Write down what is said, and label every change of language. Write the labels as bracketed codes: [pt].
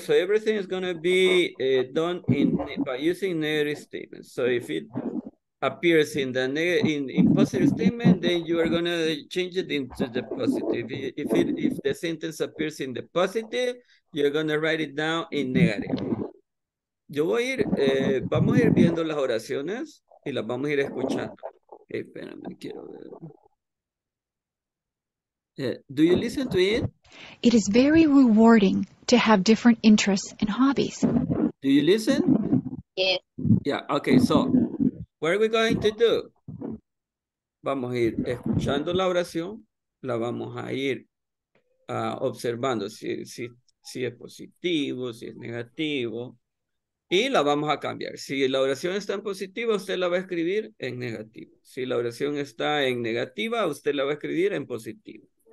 [en] So everything is gonna be done by using negative statements. So if it appears in the in positive statement, then you are gonna change it into the positive. If the sentence appears in the positive, you're gonna write it down in negative. [es] Yo voy a ir, vamos a ir viendo las oraciones y las vamos a ir escuchando. Hey, espérame, quiero ver. [en] Do you listen to it? It is very rewarding to have different interests and hobbies. Do you listen? Yes. Yeah, okay, so what are we going to do? [es] Vamos a ir escuchando la oración, la vamos a ir observando si es positivo, si es negativo, y la vamos a cambiar. Si la oración está en positivo, usted la va a escribir en negativo. Si la oración está en negativa, usted la va a escribir en positivo.